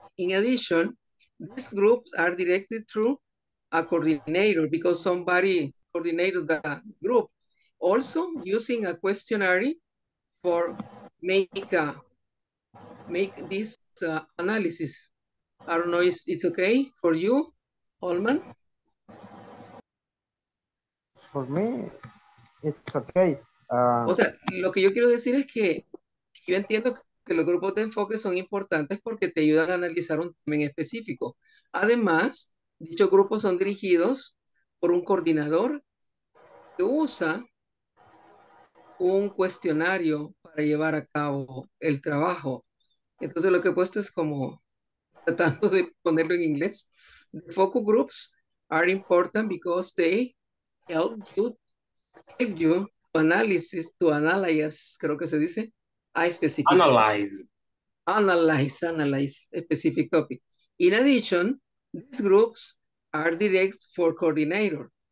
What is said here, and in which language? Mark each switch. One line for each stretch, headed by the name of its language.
English: In addition, these groups are directed through a coordinator because somebody coordinated the group. Also, using a questionnaire for make this analysis. I don't know if it's okay for you, Holman. For me, it's okay.
Spanish: O sea, lo que yo quiero decir es que yo entiendo que los grupos de enfoque son importantes porque te ayudan a analizar un tema en específico. Además, dichos grupos son dirigidos por un coordinador que usa un cuestionario para llevar a cabo el trabajo. Entonces, lo que he puesto es como tratando de ponerlo en inglés.
English: The focus groups are important because they help you to analyze,
Spanish: creo que se dice,
English: a specific analyze. Topic. Analyze, specific topic. In addition, these groups are direct for coordinator.